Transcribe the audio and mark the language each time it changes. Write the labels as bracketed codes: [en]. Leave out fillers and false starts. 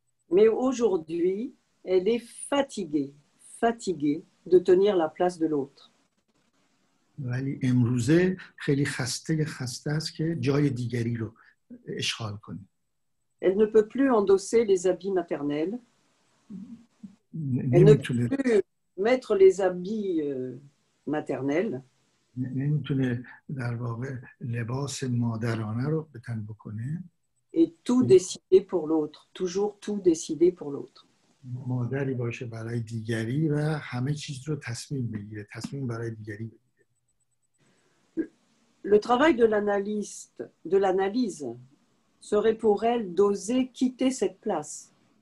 [fr] Mais aujourd'hui, elle est fatiguée, de tenir la place de l'autre. [fa] ولی امروزه خیلی خسته خسته است که جای دیگری رو اشغال کنه. [fr] Elle ne peut plus endosser les habits maternels. Elle ne peut plus mettre les habits maternels. [fa] نمیتونه در واقع لباس مادرانه رو به تن بکنه. [fr] Et tout décider pour l'autre, toujours tout décider pour l'autre. [fa] مادری باشه برای دیگری و همه چیز رو تصمیم بگیره، تصمیم برای دیگری بگیره. [fr] Le travail de l'analyste, de l'analyse, serait pour elle d'oser quitter cette place.